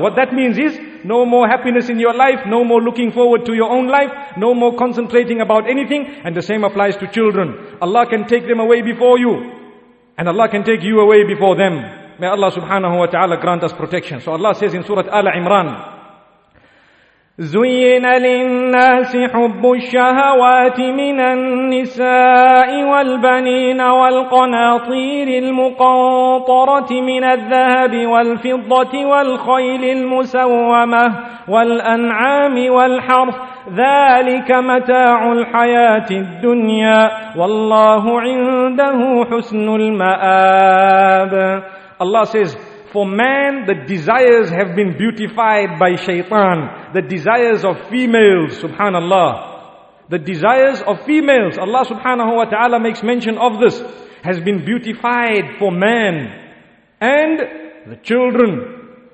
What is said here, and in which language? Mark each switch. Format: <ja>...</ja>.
<en>What that means is, no more happiness in your life, no more looking forward to your own life, no more concentrating about anything. And the same applies to children. Allah can take them away before you. And Allah can take you away before them. May Allah subhanahu wa ta'ala grant us protection. So Allah says in Surah Al Imran,</en> <ar>زين للناس حب الشهوات من النساء والبنين والقناطير المقنطرة من الذهب والفضة والخيل المسومة والأنعام والحرث ذلك متاع الحياة الدنيا والله عنده حسن المآب.</ar> <en>Allah says, For man, the desires have been beautified by shaitan. The desires of females, subhanallah. The desires of females, Allah subhanahu wa ta'ala makes mention of this, has been beautified for man and the children.</en>